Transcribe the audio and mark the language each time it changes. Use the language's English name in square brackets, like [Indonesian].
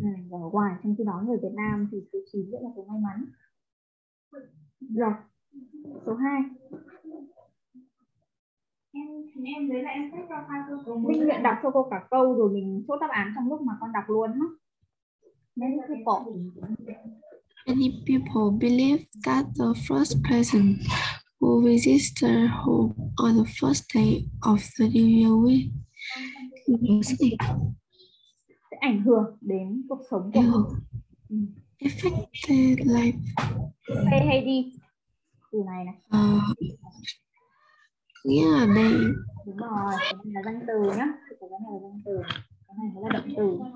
[Vietnamese] Ở ngoài, trong khi đó người Việt Nam thì thứ 9 rất là số may mắn. Rồi, số 2. Em dưới là em sẽ cho pha cho cô. Minh nguyện đọc cho cô cả câu rồi mình chốt đáp án trong lúc mà con đọc luôn á. [English] Many people believe that the first person who visits their home on the first day of the new year will [Vietnamese] sẽ ảnh hưởng đến cuộc sống của họ. [English] Affect their life. [Vietnamese] Say hay đi. Từ này này. Nghĩa là đây. Đúng rồi, cái này là danh từ nhá. Cái này là danh từ. Cái này là động từ.